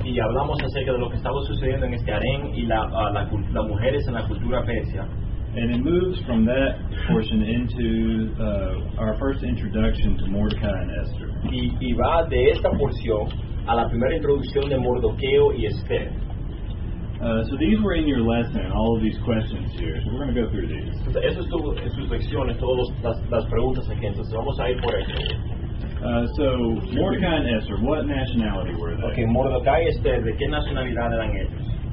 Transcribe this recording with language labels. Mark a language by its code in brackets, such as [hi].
[es] Y hablamos acerca de lo que estaba sucediendo en este harem y las mujeres en la cultura persia. [en] And it moves from that portion into our first introduction to Mordecai and Esther. [es] Y va de esta porción a la primera introducción de Mordoqueo y Esther. [en] So these were in your lesson, all of these questions here. So we're going to go through these. [es] Eso estuvo en sus lecciones, todas las preguntas aquí. Entonces vamos a ir por ahí. [en] So Mordecai and Esther, what nationality were they? [es] Okay, Mordecai y Esther, ¿de qué nacionalidad eran ellos?